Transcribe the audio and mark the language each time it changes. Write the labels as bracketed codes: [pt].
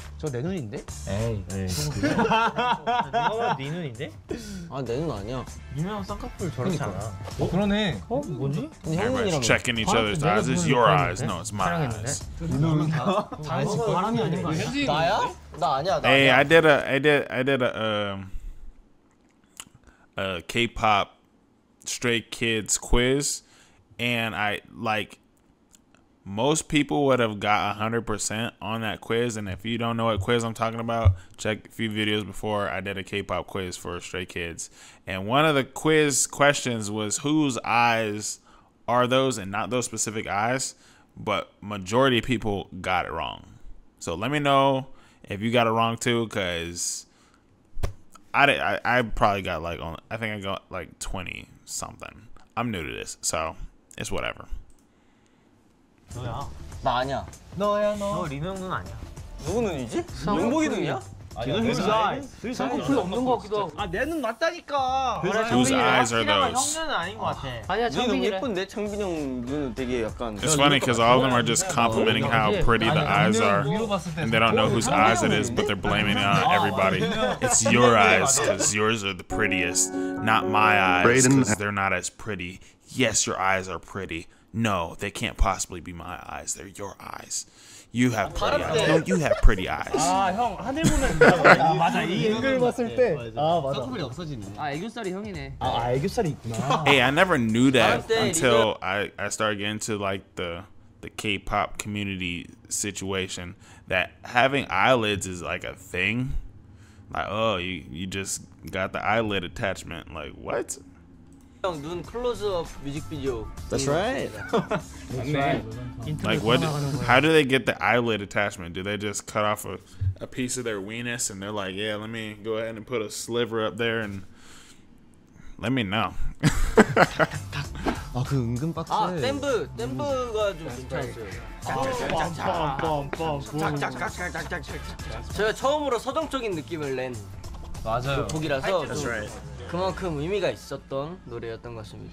[ko] 저 내 눈인데? 에이. 누가 봐도 네 눈인데? 아, 내 눈 아니야. 유명한 쌍꺼풀 저렇지 않아. 어, 그러네. 어, 뭐지? [en] Everybody's checking each other's eyes. It's your eyes. No, it's my eyes. [ko] 눈은 다 바람이 아닌 거 아니야? 나야? 나 아니야. [en] Hey, I did a K-pop Stray Kids quiz, and I like most people would have got 100% on that quiz. And if you don't know what quiz I'm talking about, check a few videos before. I did a K-pop quiz for Stray Kids, and one of the quiz questions was whose eyes are those, and not those specific eyes, but majority of people got it wrong. So let me know if you got it wrong too, because I probably got like on, I think I got like 20 something. I'm new to this, so it's whatever. [ko] 너야. 나 아니야. 너야 너. 너 리노 형 눈 아니야. 누구 눈이지? 용복이 눈이야? 아니야. 쌍꺼풀 없는 거 같기도 하고. 아 내 눈 맞다니까. [en] 그래, whose eyes are those? [ko] 형 눈은 아닌 거 같아. 아니야 창빈이래. 눈이 예쁜데 창빈 형 눈은 되게 약간. [en] It's funny because all of them are just complimenting how pretty the eyes are. And they don't know whose eyes it is, but they're blaming it on everybody. It's your eyes because yours are the prettiest. Not my eyes because they're not as pretty. Yes, your eyes are pretty. No, they can't possibly be my eyes. They're your eyes. You have pretty eyes. No, you have pretty eyes. [ko] 아, 형 하늘 보면 아, 맞아. 이 앵글 봤을 때 아, 맞아. 쌍꺼풀이 없어지네. 아, 애교살이 형이네. 아, 애교살이 있구나. [en] Hey, I never knew that until I started getting into like the K-pop community situation that having eyelids is like a thing. Like, oh, you just got the eyelid attachment. Like, what? [ko] 형 눈 클로즈업 뮤직비디오. [en] That's right. Like what? How do they get the eyelid attachment? Do they just cut off a piece of their weenus and they're like, yeah, let me go ahead and put a sliver up there and let me know. [ko] 아 그 은근 빡세. 아 댐브가 좀 괜찮았어요. 제가 처음으로 서정적인 느낌을 낸 맞아요. 그 곡이라서. [en] That's right. [ko] 그만큼 의미가 있었던 노래였던 것 같습니다.